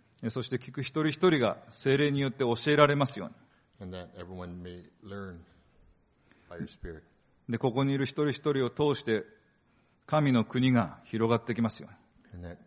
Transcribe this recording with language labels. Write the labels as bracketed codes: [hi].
[ja] そして聞く一人一人が聖霊によって教えられますように。 [en] And that everyone may learn by your spirit. [ja] で、ここにいる一人一人を通して神の国が広がってきますように。